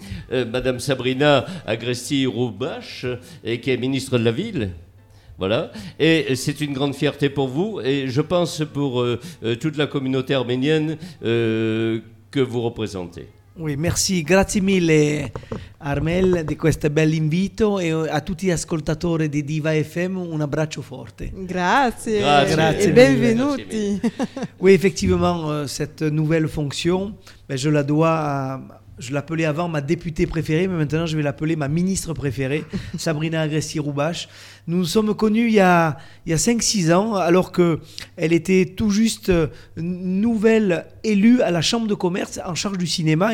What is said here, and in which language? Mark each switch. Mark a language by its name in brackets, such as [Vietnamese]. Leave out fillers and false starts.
[French] Madame Sabrina Agresti-Roubache, et qui est ministre de la Ville. Voilà. Et c'est une grande fierté pour vous, et je pense pour toute la communauté arménienne que vous représentez. Oui, merci. [Italian] Grazie mille, Armel, di questo bel invito, e a tutti gli ascoltatori di Diva FM un abbraccio forte. Grazie, grazie. E benvenuti. [French] Oui, effectivement, cette nouvelle fonction, ben, je la dois à... Je l'appelais avant ma députée préférée, mais maintenant je vais l'appeler ma ministre préférée, Sabrina Agresti-Roubache. Nous nous sommes connus il y a 5-6 ans, alors qu'elle était tout juste nouvelle élue à la Chambre de commerce en charge du cinéma.